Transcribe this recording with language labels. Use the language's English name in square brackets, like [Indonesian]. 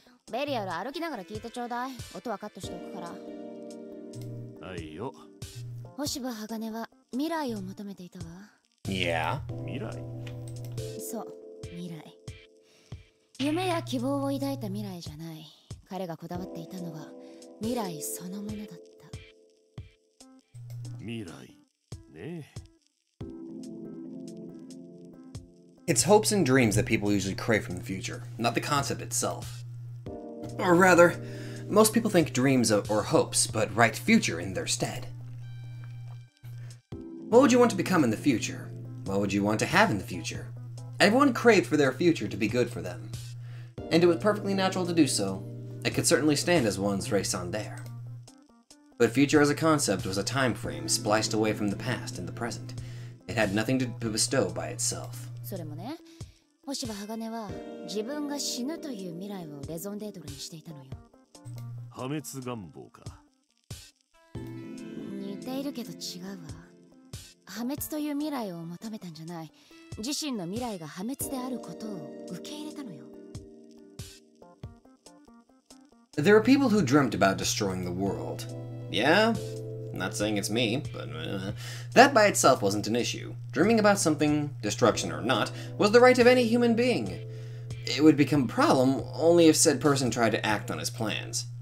[Japanese] ベリアル歩きながら聞いてちょうだい。音はカットしておくから。はいよ。星葉鋼は未来を求めていたわ。 [English] Yeah. [Japanese] 未来? そう、未来。夢や希望を抱いた未来じゃない。彼がこだわっていたのは未来そのものだった。未来ね。 [English] It's hopes and dreams that people usually crave from the future, not the concept itself. Or rather, most people think dreams or hopes, but write future in their stead. What would you want to become in the future? What would you want to have in the future? Everyone craved for their future to be good for them. And it was perfectly natural to do so. It could certainly stand as one's raison d'etre. But future as a concept was a time frame spliced away from the past and the present. It had nothing to bestow by itself. [Japanese] それもね、星葉鋼は自分が死ぬという未来をレゾンデートルにしていたのよ。破滅願望か。似ているけど違うわ。破滅という未来を求めたんじゃない。自身の未来が破滅であることを受け入れたのよ。 [English] There are people who dreamt about destroying the world. Yeah? Not saying it's me, but that by itself wasn't an issue. Dreaming about something, destruction or not, was the right of any human being. It would become a problem only if said person tried to act on his plans.